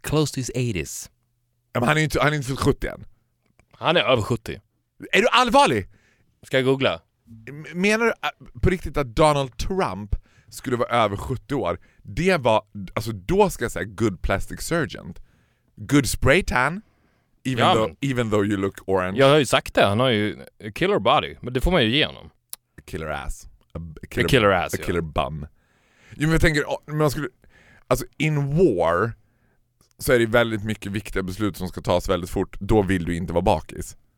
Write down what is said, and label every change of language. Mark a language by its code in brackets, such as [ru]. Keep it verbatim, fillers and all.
[en] Close to his eighties. [sv] Ja, men han är ju inte, han är inte fyllt sjuttio än. Han är över sjuttio. Är du allvarlig? Ska jag googla? Menar du på riktigt att Donald Trump skulle vara över sjuttio år? Det var, alltså då ska jag säga [en] good plastic surgeon. Good spray tan. Even, ja, though, even though you look orange. [sv] Jag har ju sagt det, han har ju [en] a killer body. [sv] Men det får man ju ge honom. [en] A killer ass. A, a, killer, a killer ass, a killer ja. bum. [sv] Jo, men jag tänker, man skulle, alltså [en] in war [sv] så är det väldigt mycket viktiga beslut som ska tas väldigt fort. Då vill du inte vara bakis.